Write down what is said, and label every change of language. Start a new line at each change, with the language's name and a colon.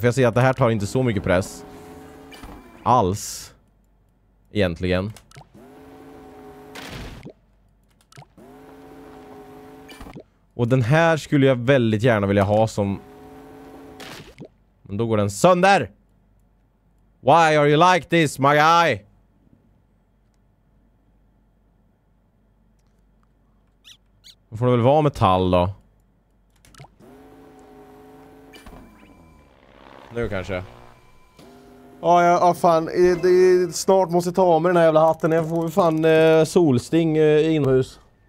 Swedish: För jag ser att det här tar inte så mycket press. Alls. Egentligen. Och den här skulle jag väldigt gärna vilja ha som... Men då går den sönder!
English: Why are you like this, my guy?
Swedish: Då får det väl vara metall då. Nu kanske. Fan. Snart måste jag ta med den här jävla hatten. Jag får fan solsting inomhus.